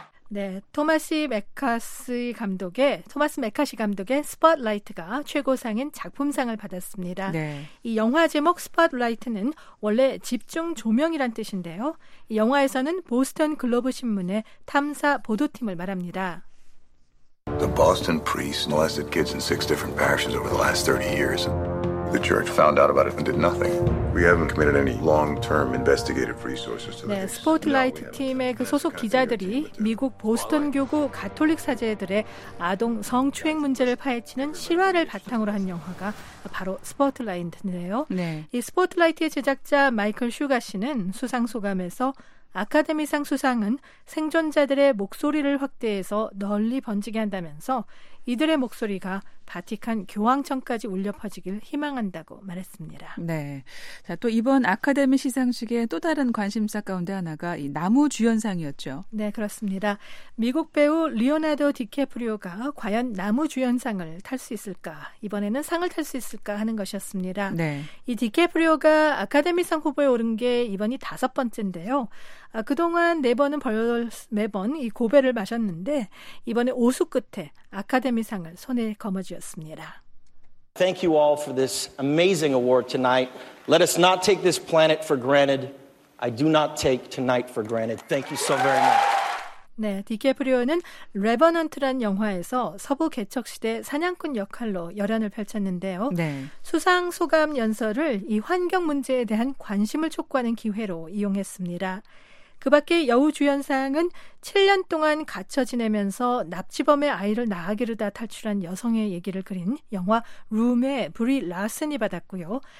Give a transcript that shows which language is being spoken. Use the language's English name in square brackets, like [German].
[Korean] 네, 토마스 맥카시 감독의 스팟라이트가 최고상인 작품상을 받았습니다. 네. 이 영화 제목 스팟라이트는 원래 집중 조명이란 뜻인데요. 이 영화에서는 보스턴 글로브 신문의 탐사 보도팀을 말합니다. [English] The Boston priests molested kids in six different parishes over the last 30 years. The church found out about it and did nothing. We haven't committed any long-term investigative resources to this. [Korean] 네, 스포트라이트 팀의 그 소속 기자들이 미국 보스턴 교구 가톨릭 사제들의 아동 성추행 문제를 파헤치는 실화를 바탕으로 한 영화가 바로 스포트라이트인데요. 네. 이 스포트라이트의 제작자 마이클 슈가 씨는 수상 소감에서 아카데미상 수상은 생존자들의 목소리를 확대해서 널리 번지게 한다면서 이들의 목소리가 바티칸 교황청까지 울려 퍼지길 희망한다고 말했습니다. 네. 자, 또 이번 아카데미 시상식의 또 다른 관심사 가운데 하나가 이 나무 주연상이었죠. 네, 그렇습니다. 미국 배우 리오나르도 디카프리오가 과연 나무 주연상을 탈 수 있을까? 이번에는 상을 탈 수 있을까 하는 것이었습니다. 네. 이 디카프리오가 아카데미상 후보에 오른 게 이번이 다섯 번째인데요. 아, 그동안 매번 이 고배를 마셨는데 이번에 오수 끝에 아카데미상을 손에 거머쥐었습니다. [English] Thank you all for this amazing award tonight. Let us not take this planet for granted. I do not take tonight for granted. Thank you so very much. [Korean] 네, 디카프리오는 레버넌트란 영화에서 서부 개척 시대 사냥꾼 역할로 열연을 펼쳤는데요. 네. 수상 소감 연설을 이 환경 문제에 대한 관심을 촉구하는 기회로 이용했습니다. 그 밖에 여우주연상은 7년 동안 갇혀 지내면서 납치범의 아이를 낳아 기르다 탈출한 여성의 얘기를 그린 영화 룸의 브리 라슨이 받았고요.